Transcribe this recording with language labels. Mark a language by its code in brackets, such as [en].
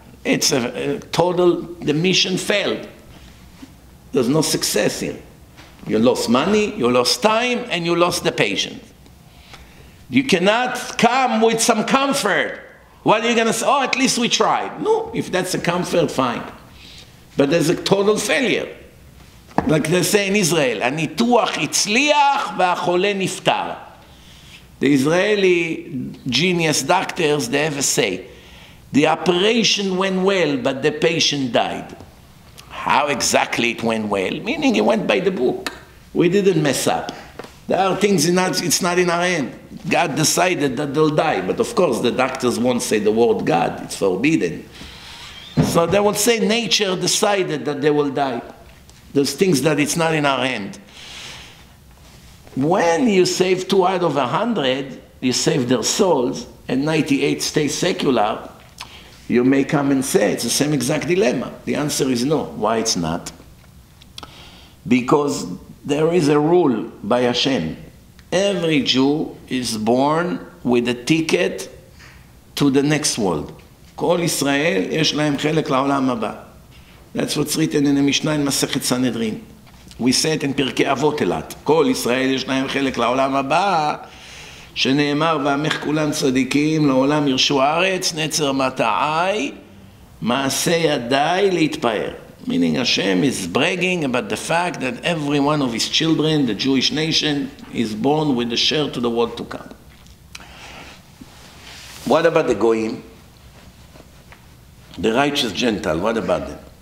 [en] It's the mission failed. There's no success here. You lost money, you lost time, and you lost the patient. You cannot come with some comfort. What are you gonna say? Oh, at least we tried. No, if that's a comfort, fine. But there's a total failure. Like they say in Israel, [he] הניתוח הצליח והחולה נפטר. [en] The Israeli genius doctors, they ever say, the operation went well, but the patient died. How exactly it went well? Meaning it went by the book. We didn't mess up. There are things, it's not in our hand. God decided that they'll die. But of course, the doctors won't say the word God. It's forbidden. So they will say nature decided that they will die. There's things that it's not in our hand. When you save 2 out of 100, you save their souls, and 98 stay secular, you may come and say it's the same exact dilemma. The answer is no. Why it's not? Because there is a rule by Hashem. Every Jew is born with a ticket to the next world. [he] Kol Yisrael yesh lahem chelek la'olam haba. [en] That's what's written in the Mishnah in Masechet Sanhedrin. We say it in Pirkei Avot a lot. [he] Kol Yisrael yesh lahem chelek la'olam haba. שנאמר ועמך כולם צדיקים לעולם ירשו הארץ נצר מטעי מעשה ידי להתפאר. [en] Meaning Hashem is bragging about the fact that every one of his children, the Jewish nation, is born with a share to the world to come. What about the goyim? The righteous Gentile, what about them?